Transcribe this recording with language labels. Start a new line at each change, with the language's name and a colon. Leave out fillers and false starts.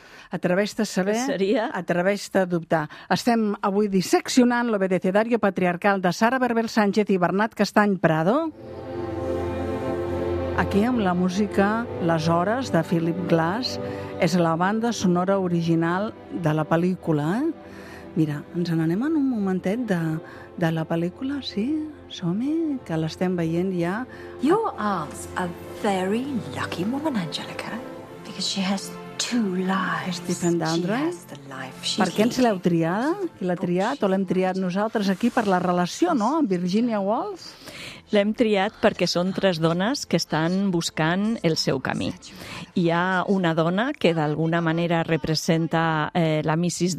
Catalan: Atreveix-te a saber, atreveix-te a dubtar. Estem avui disseccionant l'obedecedario patriarcal de Sara Berbel Sánchez i Bernat Castany Prado. Aquí amb la música Les Hores, de Philip Glass, és la banda sonora original de la pel·lícula. Mira, ens n'anem en un momentet de la pel·lícula, sí? Som-hi, que l'estem veient ja.
English: You are a very lucky woman, Angelica, because she has two lives.
Catalan: Stephen Dandridge, per què ens l'heu triada? Qui l'ha triat? O l'hem triat nosaltres aquí per la relació, no?, amb Virginia Woolf? L'hem triat perquè són tres dones que estan buscant el seu camí. Hi ha una dona que d'alguna manera representa la Mrs.